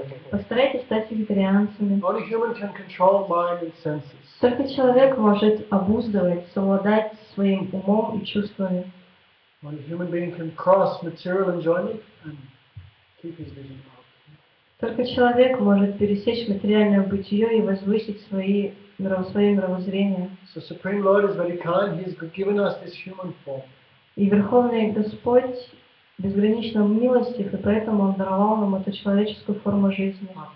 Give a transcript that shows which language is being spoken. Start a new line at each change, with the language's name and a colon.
Russian: Постарайтесь стать вегетарианцами.
English: Only human can control mind and senses.
Russian: Только человек может обуздывать, совладать своим умом и чувствами.
English: Only human being can cross material enjoyment and keep his vision up.
Russian: Только человек может пересечь материальное бытие и возвысить свои мировоззрения.
English: So Supreme Lord is very kind. He's given us this human form.
Russian: И Верховный Господь безгранично милостив, и поэтому он даровал нам эту человеческую форму жизни.